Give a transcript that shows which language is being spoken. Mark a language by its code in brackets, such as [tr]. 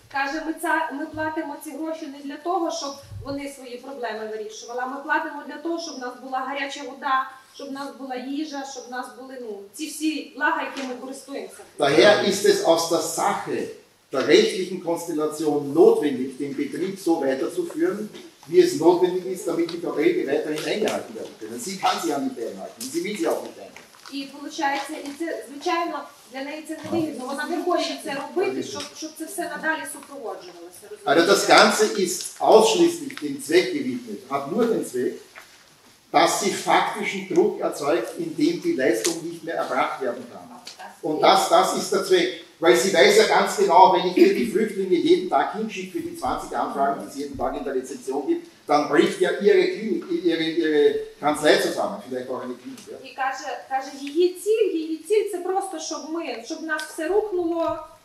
[uk] Каже, ми платимо ці гроші не для того, щоб вони свої проблеми вирішували, а ми платимо для того, щоб у нас була гаряча вода, щоб у нас була їжа, щоб у нас були ну, ці всі блага, які ми користуємося. [de] Daher ist es aus der Sache der rechtlichen Konstellation notwendig, den Betrieb so weiterzuführen, wie es notwendig ist, damit die Verträge weiterhin eingehalten werden können. Sie kann sie ja nicht einhalten, sie will sie auch nicht einhalten. [uk] І виходить, і це, звичайно, для неї це не вигідно. Вона не хоче це робити, щоб це все надалі супроводжувалося. Але [de] das Ganze ist ausschließlich dem Zweck gewidmet, hat nur den Zweck, dass sie faktischen Druck erzeugt, indem die Leistung nicht mehr erbracht werden kann. Und das ist der Zweck. Weil sie weiß ja ganz genau, wenn ich hier die Flüchtlinge jeden Tag hinschicke für die 20 Anfragen, die es jeden Tag in der Rezeption gibt, dann bricht ja ihre Klinik, ihre Kanzlei zusammen, vielleicht auch eine Klinik. Ja. Und [uk] каже, [de] ihr Ziel, [uk] це просто, щоб ми, щоб нас все рухнуло.